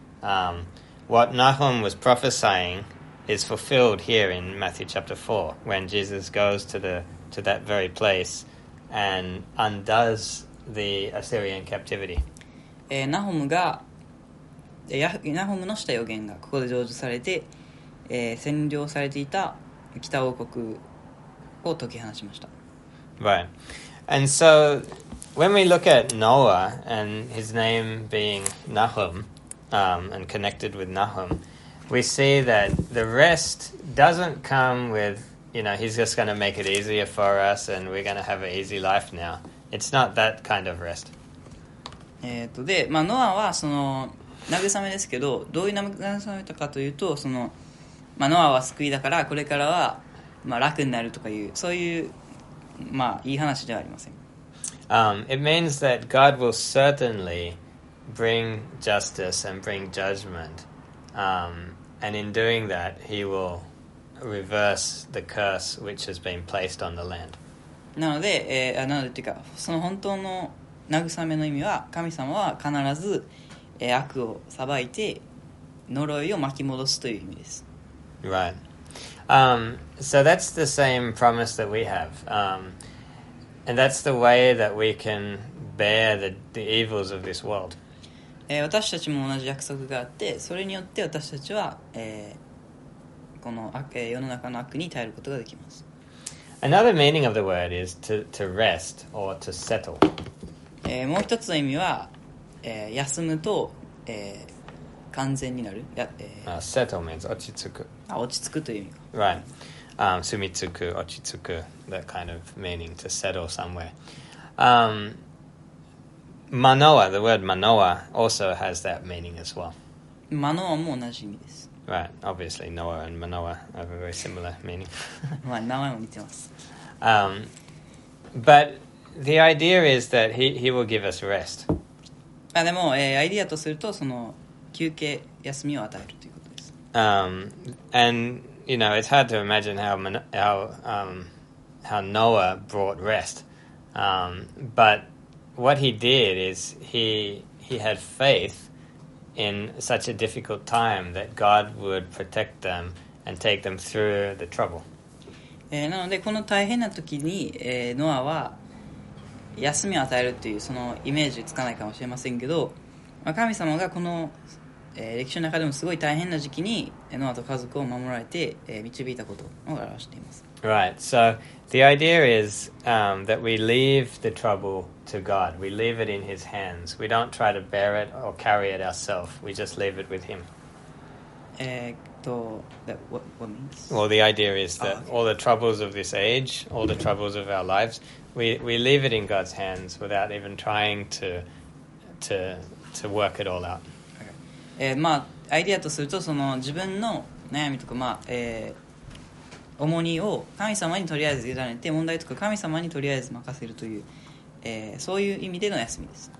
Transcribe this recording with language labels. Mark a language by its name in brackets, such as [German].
[English] What Nahum was prophesying is fulfilled here in Matthew chapter 4, when Jesus goes to that very place and undoes the Assyrian captivity. [Japanese] ナホムのした予言がここで成就されて、占領されていた北王国を解き放ちました。 [English] Right. And so when we look at Noah and his name being Nahum, and connected with Nahum, we see that the rest doesn't come with, you know, he's just going to make it easier for us and we're going to have an easy life now. It's not that kind of rest. [Japanese] で、まあ、ノアはその慰めですけど、どういう慰めたかというと、そのまあ、ノアは救いだからこれからは、まあ、楽になるとかいう、そういう、まあ、いい話ではありません。 [English] It means that God will certainly bring justice and bring judgment. And in doing that, he will reverse the curse which has been placed on the land. [Japanese] なので、なのでというか、その本当の慰めの意味は、神様は必ず、悪を裁いて呪いを巻き戻すという意味です。 [English] Right. So that's the same promise that we have. And that's the way that we can bear the evils of this world. [Japanese] 私たちも同じ約束があって、それによって私たちは、この悪、世の中の悪に耐えることができます。 [English] Another meaning of the word is to rest or to settle. [Japanese] もう一つの意味は、休むと、完全になる。 [English] Settle means [Japanese] 落ち着く。落ち着くという意味。 [English] Right. [Japanese] 住み着く、落ち着く。 [English] That kind of meaning, to settle somewhere. Manoa, the word Manoa also has that meaning as well. [Japanese] Manoa も同じ意味です。 [English] Right. Obviously, Noah and Manoa have a very similar meaning. [Japanese] まあ、名前も似てます。 [English] But the idea is that he will give us rest. [Japanese] あ、でも、アイデアとすると、その休憩、休みを与えるという。 [English] And you know it's hard to imagine how Noah brought rest, but what he did is he had faith in such a difficult time that God would protect them and take them through the trouble. [Japanese] なのでこの大変な時に、ノアは休みを与えるというそのイメージつかないかもしれませんけど、まあ、神様がこの歴史の中でもすごい大変な時期にノアと家族を守られて導いたことを表しています。 [English] Right. So the idea is that we leave the trouble to God. We leave it in His hands. We don't try to bear it or carry it ourselves. We just leave it with Him. What means? Well, the idea is that all the troubles of this age, all the troubles of our lives, we leave it in God's hands without even trying to work it all out. [Japanese] まあ、アイデアとするとその自分の悩みとか、まあ重荷を神様にとりあえず委ねて、問題とか神様にとりあえず任せるという、そういう意味での休みです。